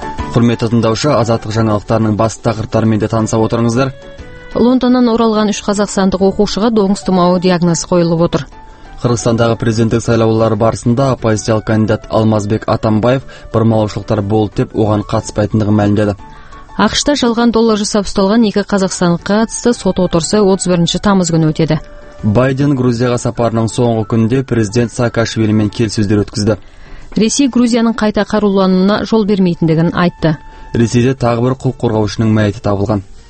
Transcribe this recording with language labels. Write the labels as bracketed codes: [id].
[kk] Құрметті тыңдаушы, Азаттық жаңалықтарының бас тақырыптарымен де таныса отырыңыздар. Лондоннан оралған үш қазақстандық оқушыға доңыз тұмауы диагнозы қойылып отыр. [ky] Кыргызстандагы президенттик шайлоолор барысында оппозициялык кандидат Алмазбек Атамбаев бурмалоочулуктар болду деп оган катышпайтындыгын [kk] мәлімдеді. АКШта жалган доллар жасап ұсталған екі қазақстандыққа қатысты сот отырысы 31 тамыз күні өтеді. Байден Грузияға сапарының соңғы күнінде президент Саакашвилимен келіссөздер өткізді. Ресей Грузияның қайта қарулануына жол бермейтіндігін айтты. Ресейде тағы бір құқық қорғаушының мәйіті табылған.